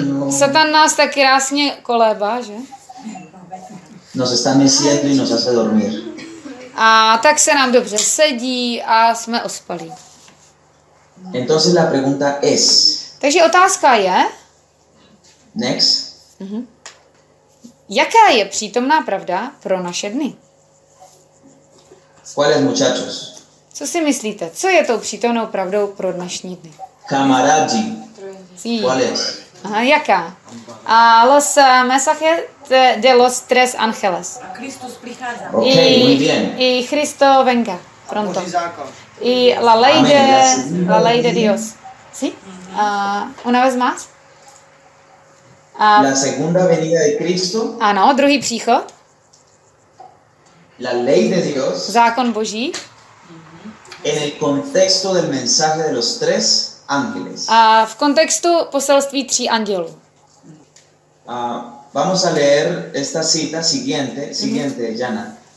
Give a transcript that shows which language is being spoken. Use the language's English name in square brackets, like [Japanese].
[Czech] Satan nás tak krásně kolébá, že? [Spanish] Nos está meciendo y nos hace dormir. [Czech] A tak se nám dobře sedí a jsme ospalí. [Spanish] Entonces la pregunta es. [Czech] Takže otázka je. [English] Next. [Czech] Jaká je přítomná pravda pro naše dny? [Spanish] ¿Cuáles, muchachos? [Czech] Co si myslíte? Co je tou přítomnou pravdou pro dnešní dny? Kamarádi. [Spanish] ¿Cuáles? [Czech] Aha, jaká? [Spanish] A los mensajes de los tres ángeles. [Czech] Kristus přichází. [Spanish] Okay, muy bien. Y Cristo venga pronto. [Czech] Boží zákon. [Spanish] Y la ley de la ley de Dios. ¿Sí? Una vez más. La segunda venida de Cristo. [Czech] Ano, druhý příchod. [Spanish] La ley de Dios. [Czech] Zákon Boží. [Spanish] En el contexto del mensaje de los tres ángeles. [Czech] A v kontextu poselství tří andělů. [Spanish] Vamos a leer esta cita siguiente, Jana.